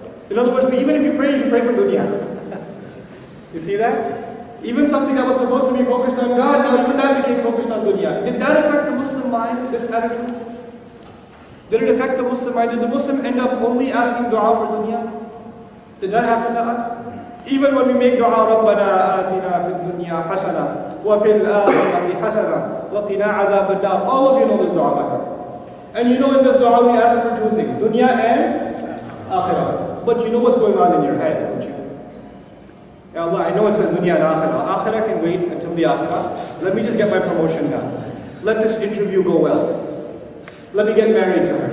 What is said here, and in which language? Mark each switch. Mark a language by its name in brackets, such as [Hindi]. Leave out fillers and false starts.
[English] In other words, even if you pray, you should pray for dunya. You see that? Even something that was supposed to be focused on God, now even that became focused on dunya. Did that affect the Muslim mind, this attitude? Did it affect the Muslim mind? Did the Muslim end up only asking dua for dunya? Did that happen to us? Even when we make dua, [Arabic] رَبَّنَا آتِنَا فِي الدُّنْيَا حَسَنًا وَفِي الْآخِرَةِ حَسَنًا وَقِنَا عَذَابَ النَّارِ. [English] All of you know this dua. And you know in this dua we ask for two things, dunya and akhirah. But you know what's going on in your head, don't you? Ya Allah, I know it says dunya and akhirah. Akhirah can wait until the akhirah. Let me just get my promotion done. Let this interview go well. Let me get married to her.